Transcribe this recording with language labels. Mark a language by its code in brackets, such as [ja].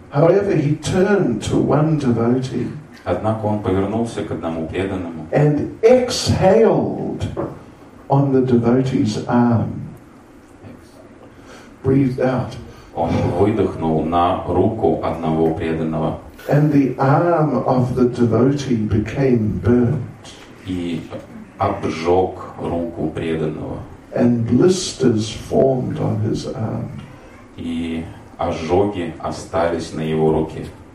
[en] However, he turned to one devotee. [ru] Однако он повернулся к одному преданному. [en] And exhaled on the devotee's arm. Breathed out. [ru] Он выдохнул на руку одного преданного. [en] And the arm of the devotee became burnt. [ru] И обжег руку преданного. [en] And blisters formed on his arm. [ru] И ожоги остались на его руке.